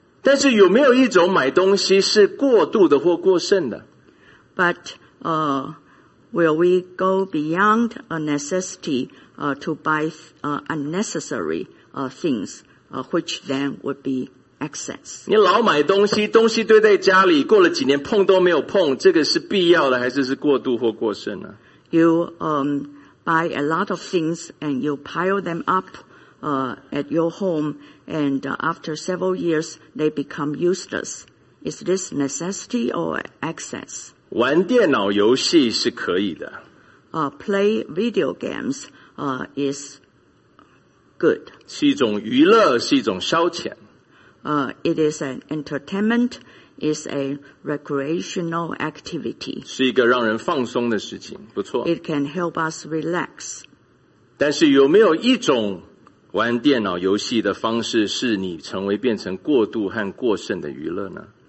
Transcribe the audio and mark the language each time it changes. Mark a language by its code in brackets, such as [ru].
[zh] 但是有没有一种买东西是过度的或过剩的？ [en] But will we go beyond a necessity to buy unnecessary things which then would be excess? [zh] 你老买东西，东西堆在家里，过了几年碰都没有碰，这个是必要的还是过度或过剩呢？ [en] You buy a lot of things and you pile them up at your home and after several years, they become useless. Is this necessity or excess? [zh] 玩电脑游戏是可以的。 [en] Play video games is good. [zh] 是一种娱乐，是一种消遣。 [en] It is an entertainment, is a recreational activity. [zh] 是一个让人放松的事情，不错。 [en] It can help us relax. [zh] 但是有没有一种玩电脑游戏的方式是你成为变成过度和过剩的娱乐呢？